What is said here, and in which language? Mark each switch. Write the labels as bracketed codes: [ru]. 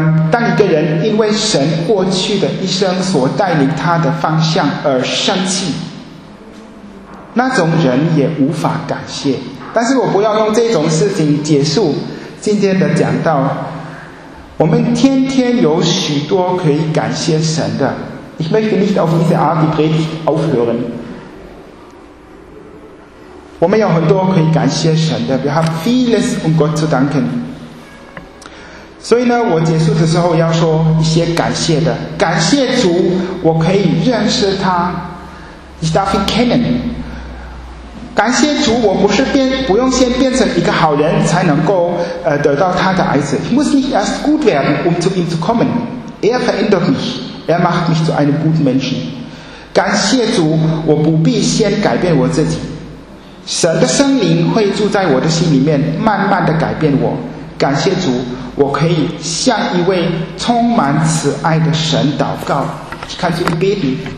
[zh] 当一个人因为神过去的一生所带领他的方向而生气，那种人也无法感谢。但是我不要用这种事情结束今天的讲道。我们天天有许多可以感谢神的。 [de] Ich möchte nicht auf diese Art die Predigt aufhören. [zh] 我们有很多可以感谢神的。 [de] Wir haben vieles, um Gott zu danken. [zh] 所以呢，我结束的时候要说一些感谢的。感谢主，我可以认识他。 [de] Ich darf ihn kennen. [zh] 感谢主，我不是不用先变成一个好人才能够得到他的爱子。 [de] Ich muss nicht erst gut werden, um zu ihm zu kommen. Er verändert mich. Er macht mich zu einem guten Menschen. [zh] 感谢主，我不必先改变我自己。神的圣灵会住在我的心里面，慢慢的改变我。感谢主，我可以向一位充满慈爱的神祷告。看这个 baby。